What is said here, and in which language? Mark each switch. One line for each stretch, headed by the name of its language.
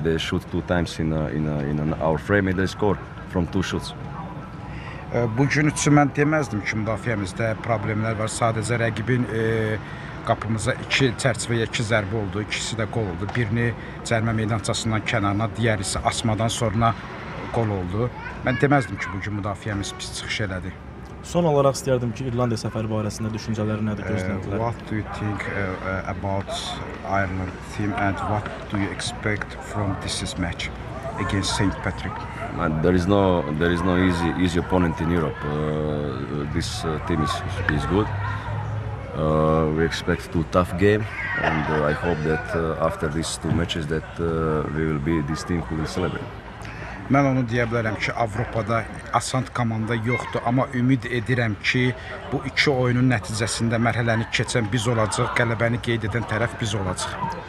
English: They shoot two times in our frame and they score from two shoots.
Azerbaijani: Bu gün üçün mən deməzdim ki, müdafiəmizdə problemlər var. Sadəcə rəqibin qapımıza iki çərçivəyə iki zərbə oldu, ikisi də qol oldu. Birini cərimə meydançasından kənarına, digəri isə asmadan sonra qol oldu. Mən deməzdim ki, bu gün müdafiəmiz pis çıxış elədi. Son olaraq istəyərdim ki, İrlandiya səfəri barəsində düşüncələri nədir, gözləntilər?
English: What do you think about Ireland team and what do you expect from this match against St. Patrick? There is no easy opponent in Europe. This team is good. We expect two tough game, and I hope that after these two matches that we will be this team who will celebrate.
Azerbaijani: Mən onu deyə bilərəm ki, Avropada asan komanda yoxdur, amma ümid edirəm ki, bu iki oyunun nəticəsində mərhələni keçən biz olacaq, qələbəni qeyd edən tərəf biz olacaq.